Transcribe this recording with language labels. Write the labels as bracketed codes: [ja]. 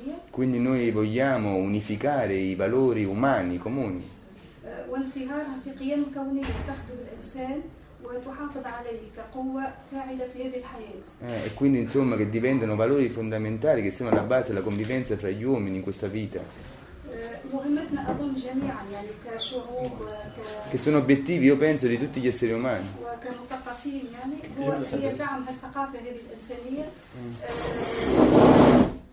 [it] Quindi noi vogliamo unificare i valori umani comuni. [ar] وانصهارها في قيم كونية تخدم الإنسان وتحافظ عليه كقوة فاعلة في هذه الحياة. [it] E quindi insomma che diventano valori fondamentali che sono la base della convivenza fra gli uomini in questa vita. [ar] مهمتنا أظن جميعا يعني كشعوب [it] che sono obiettivi io penso di tutti gli esseri umani. [ar] وكمثقفين يعني هو هي دعم الثقافة هذه الإنسانية.